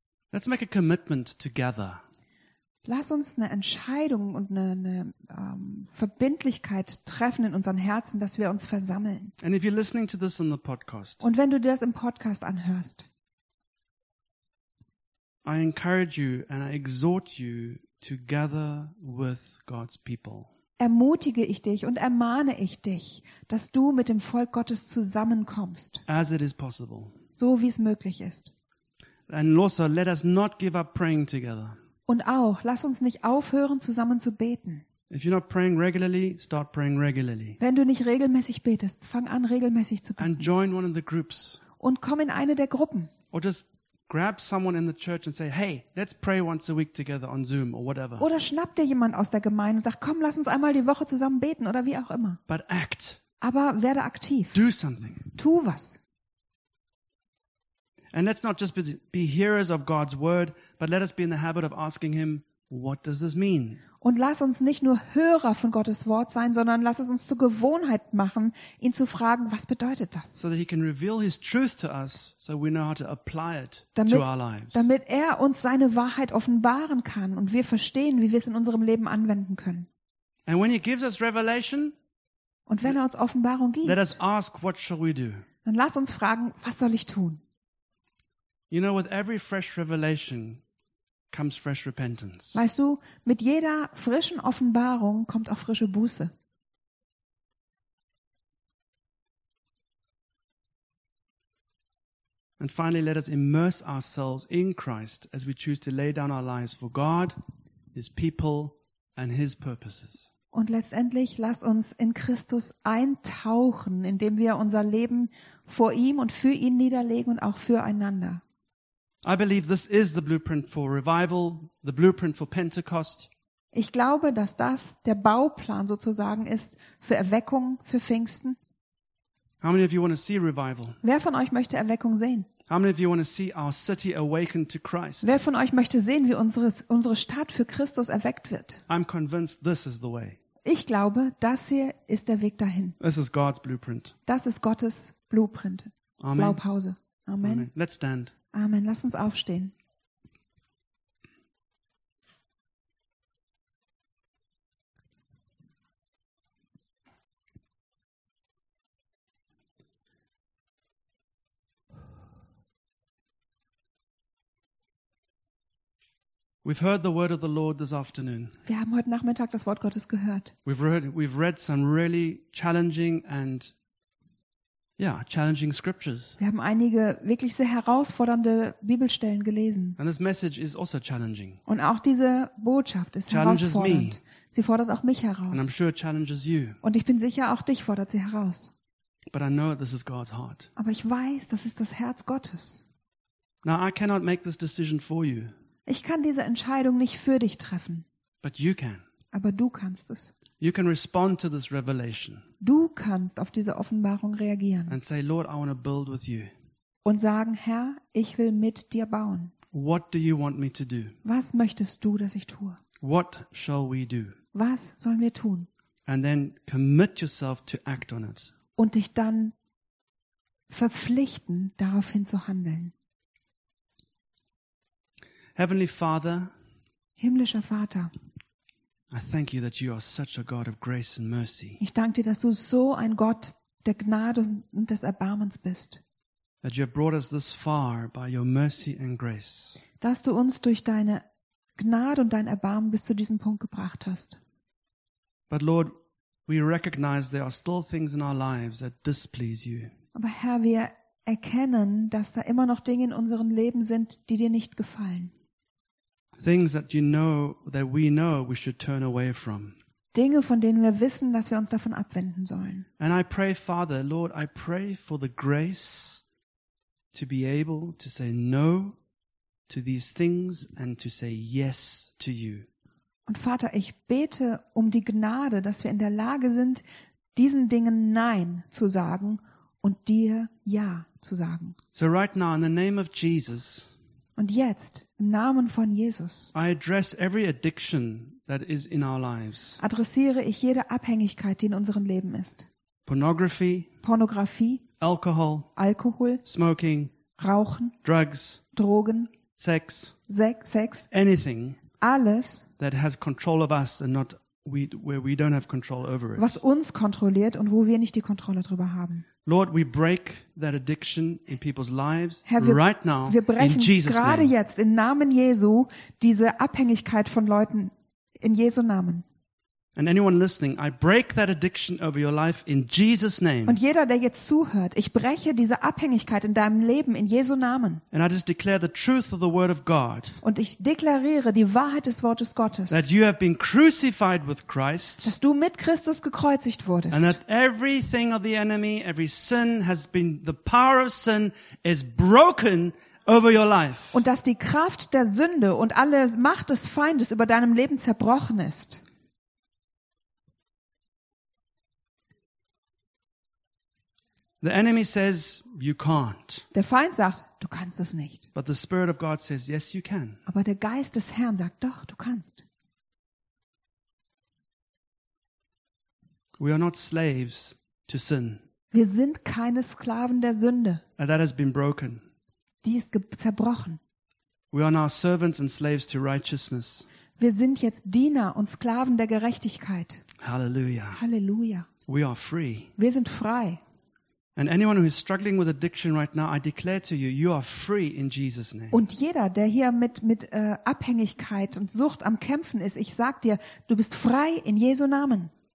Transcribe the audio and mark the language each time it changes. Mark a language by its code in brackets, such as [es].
[en] Let's make a commitment to gather. [de] Lass uns eine Entscheidung und eine Verbindlichkeit treffen in unseren Herzen, dass wir uns versammeln. [en] And if you're listening to this on the podcast, [de] und wenn du das im Podcast anhörst, [en] I encourage you and I exhort you to gather with God's people. [de] Ermutige ich dich und ermahne ich dich, dass du mit dem Volk Gottes zusammenkommst. [en] As it is possible. [de] So wie es möglich ist. [en] And also, let us not give up praying together. [de] Und auch, lass uns nicht aufhören, zusammen zu beten. [en] If you're not praying regularly, start praying regularly. [de] Wenn du nicht regelmäßig betest, fang an, regelmäßig zu beten. [en] And join one of the groups. [de] Und komm in eine der Gruppen. [en] Or just grab someone in the church and say, hey, let's pray once a week together on Zoom or whatever. [de] Oder schnapp dir jemand aus der Gemeinde und sag, komm, lass uns einmal die Woche zusammen beten oder wie auch immer. [en] But act. [de] Aber werde aktiv. [en] Do something. [de] Tu was. [en] And let's not just be hearers of God's word, but let us be in the habit of asking him, what does this mean? [de] Und lass uns nicht nur Hörer von Gottes Wort sein, sondern lass es uns zur Gewohnheit machen, ihn zu fragen, was bedeutet das? [en] So that he can reveal his truth to us, so we know how to apply it to our lives. [de] Damit er uns seine Wahrheit offenbaren kann und wir verstehen, wie wir es in unserem Leben anwenden können. [en] And when he gives us revelation, [de] und wenn er uns Offenbarung gibt, [en] let us ask, what shall we do? [de] Dann lass uns fragen, was soll ich tun? [en] You know, with every fresh revelation comes fresh repentance. [de] Weißt du, mit jeder frischen Offenbarung kommt auch frische Buße. [en] And finally, let us immerse ourselves in Christ as we choose to lay down our lives for God, his people and his purposes. [de] Und letztendlich lass uns in Christus eintauchen, indem wir unser Leben vor ihm und für ihn niederlegen und auch füreinander. [en] I believe this is the blueprint for revival, the blueprint for Pentecost. [de] Ich glaube, dass das der Bauplan sozusagen ist für Erweckung, für Pfingsten. [en] How many of you want to see revival? [de] Wer von euch möchte Erweckung sehen? [en] How many of you want to see our city awakened to Christ? [de] Wer von euch möchte sehen, wie unsere Stadt für Christus erweckt wird? [en] I'm convinced this is the way. [de] Ich glaube, das hier ist der Weg dahin. [en] This is God's blueprint. [de] Das ist Gottes Blueprint. [en] Amen. [de] Blaupause. Amen. Amen. [en] Let's stand. [de] Amen. Lass uns aufstehen. [en] We've heard the word of the Lord this afternoon. [de] Wir haben heute Nachmittag das Wort Gottes gehört. [en] We've read some really challenging and challenging scriptures. [de] Wir haben einige wirklich sehr herausfordernde Bibelstellen gelesen. [en] And this message is also challenging. [de] Und auch diese Botschaft ist [en] challenges [de] herausfordernd. [en] Me. [de] Sie fordert auch mich heraus. [en] And I'm sure challenges you. [de] Und ich bin sicher, auch dich fordert sie heraus. [en] But I know this is God's heart. [de] Aber ich weiß, das ist das Herz Gottes. [en] Now I cannot make this decision for you. [de] Ich kann diese Entscheidung nicht für dich treffen. [en] But you can. [de] Aber du kannst es. [en] You can respond to this revelation. [de] Du kannst auf diese Offenbarung reagieren. [en] And say, Lord, I want to build with you. [de] Und sagen, Herr, ich will mit dir bauen. [en] What do you want me to do? [de] Was möchtest du, dass ich tue? [en] What shall we do? [de] Was sollen wir tun? [en] And then commit yourself to act on it. [de] Und dich dann verpflichten, daraufhin zu handeln. [en] Heavenly Father, [de] himmlischer Vater, [en] I thank you that you are such a God of grace and mercy. [de] Ich danke dir, dass du so ein Gott der Gnade und des Erbarmens bist. [en] That you have brought us this far by your mercy and grace. [de] Dass du uns durch deine Gnade und dein Erbarmen bis zu diesem Punkt gebracht hast. [en] But Lord, we recognize there are still things in our lives that displease you. [de] Aber Herr, wir erkennen, dass da immer noch Dinge in unserem Leben sind, die dir nicht gefallen. [en] Things that you know that we know we should turn away from. [de] Dinge, von denen wir wissen, dass wir uns davon abwenden sollen. [en] And I pray, Father, Lord, I pray for the grace to be able to say no to these things and to say yes to you. [de] Und Vater, ich bete um die Gnade, dass wir in der Lage sind, diesen Dingen Nein zu sagen und dir Ja zu sagen. [en] So right now in the name of Jesus. [de] Und jetzt im Namen von Jesus. [en] I address every addiction that is in our lives. [de] Adressiere ich jede Abhängigkeit, die in unserem Leben ist. [en] Pornography. [de] Pornografie. [en] Alcohol. [de] Alkohol. [en] Smoking. [de] Rauchen. [en] Drugs. [de] Drogen. [en] Sex. [de] Sex. [en] Anything. [de] alles, [en] that has control of us and not we, where we don't have control over it. [de] Was uns kontrolliert und wo wir nicht die Kontrolle drüber haben. [en] Lord, we break that addiction in people's lives, [de] Herr, [en] right now, [de] wir brechen [en] in Jesus' [de] gerade [en] name. [de] Jetzt im Namen Jesu diese Abhängigkeit von Leuten in Jesu Namen. [en] And anyone listening, I break that addiction over your life in Jesus' name. [de] Und jeder, der jetzt zuhört, ich breche diese Abhängigkeit in deinem Leben in Jesu Namen. [en] And I just declare the truth of the word of God. [de] Und ich deklariere die Wahrheit des Wortes Gottes. [en] That you have been crucified with Christ. [de] Dass du mit Christus gekreuzigt wurdest. [en] And that everything of the enemy, every sin has been, the power of sin is broken over your life. [de] Und dass die Kraft der Sünde und alle Macht des Feindes über deinem Leben zerbrochen ist. [en] The enemy says you can't. [de] Der Feind sagt, du kannst es nicht. [en] But the Spirit of God says yes, you can. [de] Aber der Geist des Herrn sagt, doch, du kannst. [en] We are not slaves to sin. [de] Wir sind keine Sklaven der Sünde. [en] And that has been broken. [de] Die ist zerbrochen. [en] We are now servants and slaves to righteousness. [de] Wir sind jetzt Diener und Sklaven der Gerechtigkeit. [en] Halleluja. [de] Halleluja. [en] We are free. [de] Wir sind frei. [en] And anyone who is struggling with addiction right now, I declare to you, you are free in Jesus' name. [de] Und jeder, der hier mit Abhängigkeit und Sucht am Kämpfen ist, ich sag dir, du bist frei in Jesu Namen.